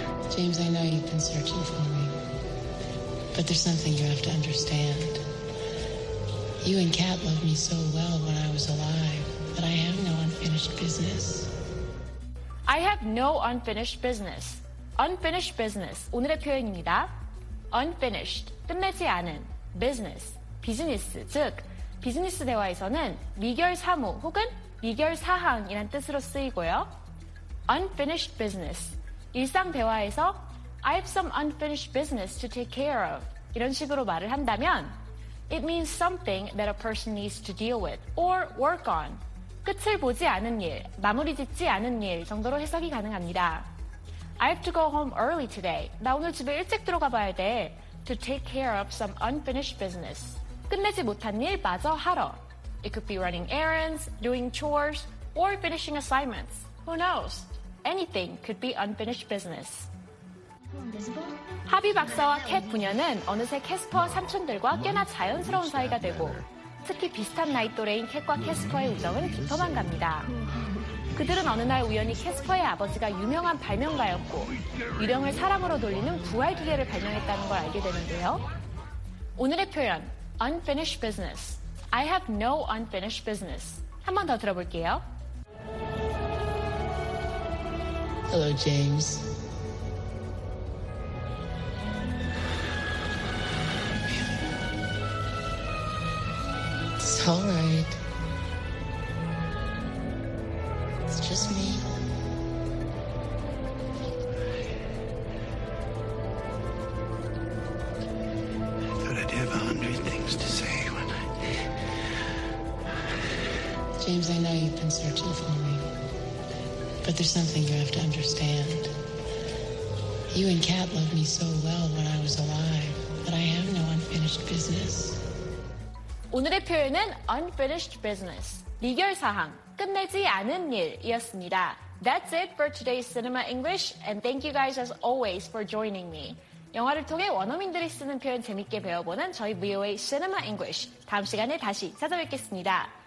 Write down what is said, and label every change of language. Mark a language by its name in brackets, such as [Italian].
[English] James, I know you've been searching for me, but there's something you have to understand. You and Kat loved me so well when I was alive, but I have no unfinished business. I have no unfinished business. [Korean] Unfinished business, 오늘의 표현입니다. Unfinished, 끝내지 않은, business, 비즈니스, 즉, 비즈니스 대화에서는 미결 사무 혹은 미결 사항이란 뜻으로 쓰이고요. [English] Unfinished business. [Korean] 일상 대화에서 [English] I have some unfinished business to take care of [Korean] 이런 식으로 말을 한다면 [English] It means something that a person needs to deal with or work on. [Korean] 끝을 보지 않은 일, 마무리 짓지 않은 일 정도로 해석이 가능합니다. [English] I have to go home early today. [Korean] 나 오늘 집에 일찍 들어가 봐야 돼. [English] To take care of some unfinished business. [Korean] 끝내지 못한 일 마저 하러. [English] It could be running errands, doing chores, or finishing assignments. Who knows? Anything could be unfinished business. [Korean] 하비 박사와 캣 부녀는 어느새 캐스퍼 삼촌들과 꽤나 자연스러운 사이가 되고 특히 비슷한 나이 또래인 캣과 캐스퍼의 우정은 깊어만 갑니다. 그들은 어느 날 우연히 캐스퍼의 아버지가 유명한 발명가였고 유령을 사람으로 돌리는 부활두개를 발명했다는 걸 알게 되는데요. 오늘의 표현, unfinished business. [English] I have no unfinished business. [Korean] 한 번 더 들어볼게요. [English] Hello, James. It's all right. It's just me. I thought I'd have 100 things to say when I... James, I know you've been searching for me. But there's something you have to understand. You and Kat loved me so well when I was alive, but I have no unfinished business. [Korean] 오늘의 표현은 unfinished business, 미결 사항, 끝내지 않은 일이었습니다. [English] That's it for today's Cinema English, and thank you guys as always for joining me. [Korean] 영화를 통해 원어민들이 쓰는 표현 재밌게 배워보는 저희 VOA Cinema English. 다음 시간에 다시 찾아뵙겠습니다.